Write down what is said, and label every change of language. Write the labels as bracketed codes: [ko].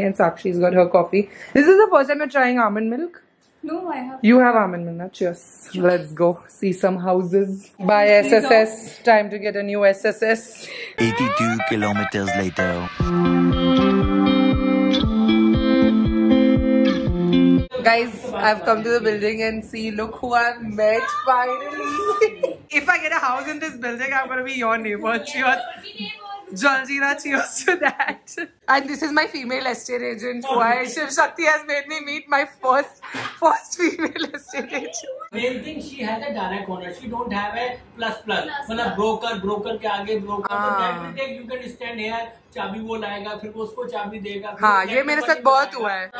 [en] And Sakshi is got her coffee. This is the first time trying almond milk. You have almond milk ना? Cheers. Let's go see some houses. Bye SSS. Time to get a new SSS. 82 kilometres later. Guys, I've come to the building and see, look who I've met finally. If I get a house in this building, I'm gonna be your neighbor. Cheers. Jaljina, cheers to that. And this is my female estate agent. Why? Shiv Shakti has made me meet my first female estate agent. Main thing, she has a direct owner. She don't have a plus. [hi] मतलब broker के आगे broker. [en] So every day you can stand here. [hi] चाबी वो लाएगा, फिर वो उसको चाबी देगा. हाँ, ये मेरे साथ बहुत हुआ है.